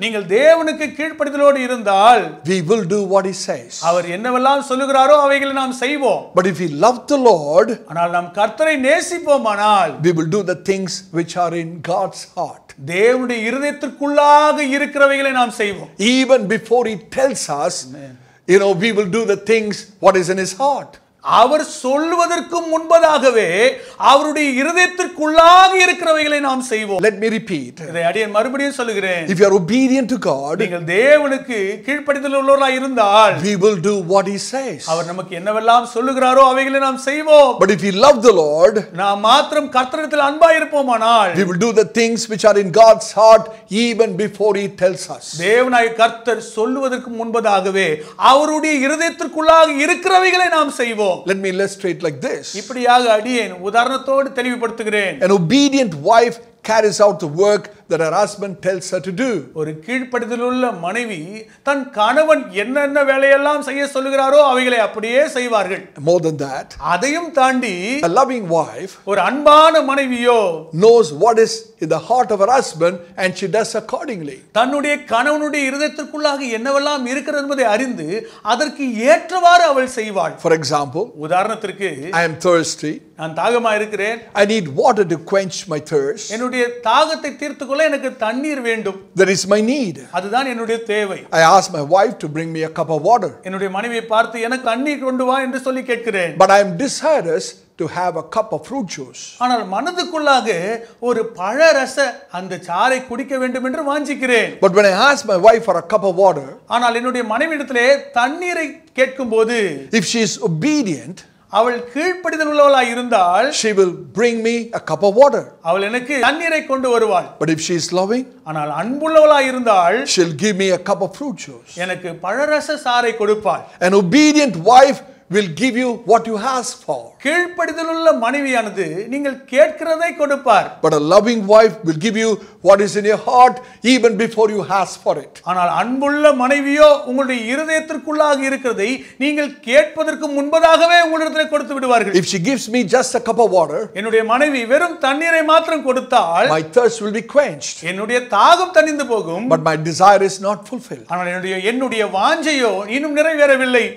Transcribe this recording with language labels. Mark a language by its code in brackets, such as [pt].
[ta] நீங்கள் தேவனுக்கு கீழ்ப்படிதலோடு இருந்தால், [en] we will do what he says. [ta] அவர் என்னெல்லாம் சொல்கிறாரோ அவைகளை நாம் செய்வோம். [en] But if we love the Lord, [ta] ஆனால் நாம் கர்த்தரை நேசிப்போமானால், [en] we will do the things which are in God's heart. [ta] தேவனுடைய இருதயத்திற்குள்ளாக இருக்கிறவைகளை நாம் செய்வோம். [en] Even before he tells us, you know, we will do the things what is in his heart. [ta] அவர் சொல்வதற்கு முன்பதாகவே அவருடைய இருதயத்திற்குள்ளாக இருக்கிறவைகளை நாம் செய்வோம். [en] Let me repeat. [ta] இதை அடியேன் மறுபடியும் சொல்கிறேன். [en] If you are obedient to God, [ta] நீங்கள் தேவனுக்கு கீழ்ப்படிதலுள்ளவர்களாய் இருந்தால், [en] we will do what he says. [ta] அவர் நமக்கு என்னவெல்லாம் சொல்கிறாரோ அவைகளை நாம் செய்வோம். [en] But if we love the Lord, [ta] நாம் மாத்திரம் கர்த்தரிடத்தில் அன்பாய் இருப்போமானால், [en] we will do the things which are in God's heart even before he tells us. [ta] தேவனாய் கர்த்தர் சொல்வதற்கு முன்பதாகவே அவருடைய இருதயத்திற்குள்ளாக இருக்கிறவைகளை நாம் செய்வோம். [en] Let me illustrate like this. [ta] இப்படியாக அடியேன் உதாரணத்தோடு தெளிவுபடுத்துகிறேன். [en] An obedient wife carries out the work that her husband tells her to do. [ta] ஒரு கீழ்ப்படிதலுள்ள மனைவி தன் கணவன் என்னென்ன வேலையெல்லாம் செய்ய சொல்கிறாரோ அவைகளை அப்படியே செய்வார்கள். [en] More than that, [ta] அதையும் தாண்டி, [en] a loving wife, [ta] ஒரு அன்பான மனைவியோ, [en] knows what is in the heart of her husband and she does accordingly. [ta] தன்னுடைய கணவனுடைய இருதயத்திற்குள்ளாக என்னவெல்லாம் இருக்கிறது என்பதை அறிந்து அதற்கு ஏற்றவாறு அவள் செய்வாள். [en] For example, [ta] உதாரணத்திற்கு, [en] I am thirsty. [ta] நான் தாகமாக இருக்கிறேன். [en] I need water to quench my thirst. [ta] என்னுடைய தாகத்தை தீர்த்துக்கொள்ள எனக்கு தண்ணீர் வேண்டும். [en] That is my need. [ta] அதுதான் என்னுடைய தேவை. [en] I ask my wife to bring me a cup of water. [ta] என்னுடைய மனைவியை பார்த்து எனக்கு தண்ணீர் கொண்டு வா என்று சொல்லி கேட்கிறேன். [en] But I am desirous to have a cup of fruit juice. [ta] ஆனால் மனதுக்குள்ளாக ஒரு பழ ரச அந்த சாறை குடிக்க வேண்டும் என்று வாஞ்சிக்கிறேன். [en] But when I ask my wife for a cup of water, [ta] ஆனால் என்னுடைய மனைவியிடத்திலே தண்ணீரை கேட்கும்போது, [en] if she is obedient, [ta] அவள் கீழ்ப்படிதல் உள்ளவளாய் இருந்தால், [en] she will bring me a cup of water. [ta] அவள் எனக்கு தண்ணீரை கொண்டு வருவாள். [en] But if she is loving, [ta] ஆனால் அன்புள்ளவளாய் இருந்தால், [en] she'll give me a cup of fruit juice. [ta] எனக்கு பழரச சாறை கொடுப்பாள். [en] An obedient wife will give you what you ask for. [ta] கீழ்ப்படிதலுள்ள மனைவியானது நீங்கள் கேட்கிறதை கொடுப்பார். [en] But a loving wife will give you what is in your heart even before you ask for it. [ta] ஆனால் அன்புள்ள மனைவியோ உங்களுடைய இருதயத்திற்குள்ளாக இருக்கிறதை நீங்கள் கேட்பதற்கு முன்பதாகவே உங்களிடத்திலே கொடுத்து விடுவார்கள். [en] If she gives me just a cup of water, [ta] என்னுடைய மனைவி வெறும் தண்ணீரை மட்டும் கொடுத்தால், [en] my thirst will be quenched. [ta] என்னுடைய தாகம் தணிந்து போகும். [en] But my desire is not fulfilled. [ta] ஆனால் என்னுடைய வாஞ்சையோ இன்னும் நிறைவேறவில்லை.